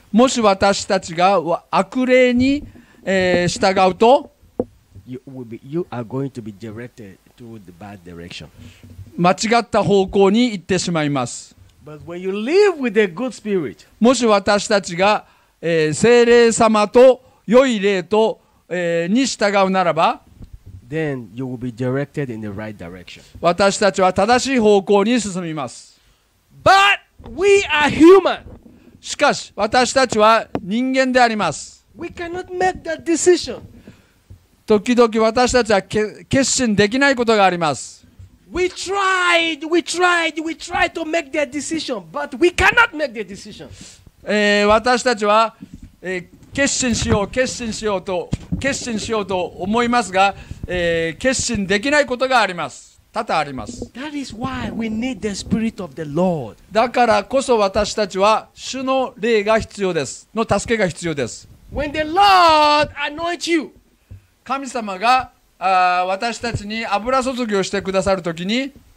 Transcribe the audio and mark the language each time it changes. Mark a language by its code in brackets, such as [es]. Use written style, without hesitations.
[ja] もし私たちが悪霊に、従うと [en] you are going to be directed to the bad direction. [ja] 間違った方向に行ってしまいます。 [en] But when you live with a good spirit, [ja] もし私たちが、聖霊様と良い霊と、に従うならば [en] then you will be directed in the right direction. [ja] 私たちは正しい方向に進みます。 [en] But we are human. [ja] しかし私たちは人間であります。 [en] We cannot make that decision. [ja] 時々私たちは決心できないことがあります。 [en] We tried to make the decision, but we cannot make the decision. [ja] 私たちは、決心しようと思いますが、決心できないことがあります。多々あります。 [en] That is why we need the spirit of the Lord. [ja] だからこそ私たちは主の霊が必要です、の助けが必要です。 [en] When the Lord anoints you, [ja] 神様が私たちに油注ぎをしてくださるときに